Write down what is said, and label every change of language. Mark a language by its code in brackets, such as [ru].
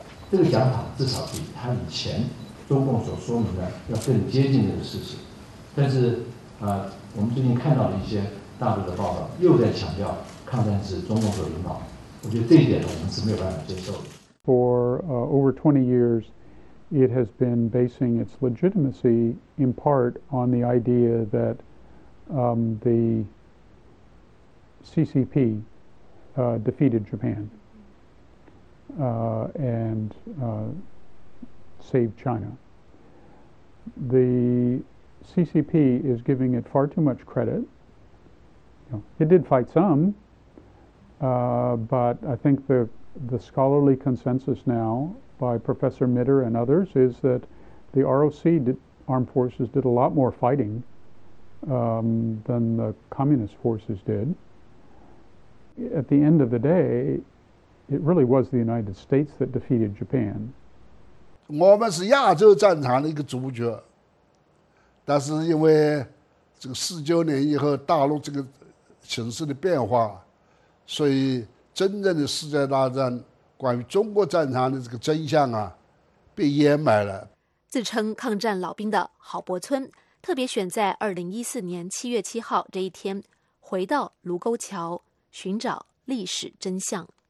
[zh] 这个讲法至少比他以前中共所说明的要更接近这个事实。但是我们最近看到了一些大陆的报道，又在强调抗战是中共所领导的，我觉得这一点我们是没有办法接受的。 [en] For over 20 years. It has been basing its legitimacy in part on the idea that the CCP defeated Japan and saved China. The CCP is giving it far too much credit. You know, it did fight some, but I think the scholarly consensus now. By Professor Mitter and others, is that the ROC armed forces did a lot more fighting than the communist forces did. At the end of the day, it really was the United States that defeated Japan. We are the main player on the Asian battlefield. But after 1949, after the change in the China's situation, so the real World War II. [zh] 关于中国战场的这个真相啊，被掩埋了。自称抗战老兵的郝伯村，特别选在2014年7月7号这一天，回到卢沟桥寻找历史真相。